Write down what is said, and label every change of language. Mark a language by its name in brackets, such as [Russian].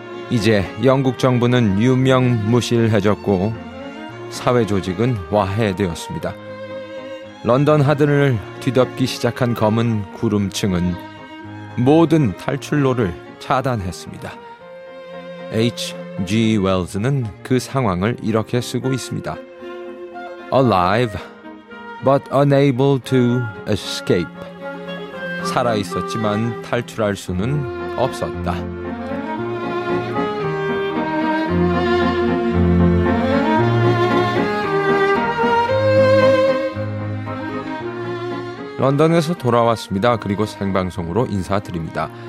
[Korean] 이제 영국 정부는 유명무실해졌고 사회조직은 와해되었습니다. 런던 하늘을 뒤덮기 시작한 검은 구름층은 모든 탈출로를 차단했습니다. [English] H.G. [Korean] Wells는 그 상황을 이렇게 쓰고 있습니다. [English] Alive, but unable to escape. [Korean] 살아있었지만 탈출할 수는 없었다. 런던에서 돌아왔습니다. 그리고 생방송으로 인사드립니다.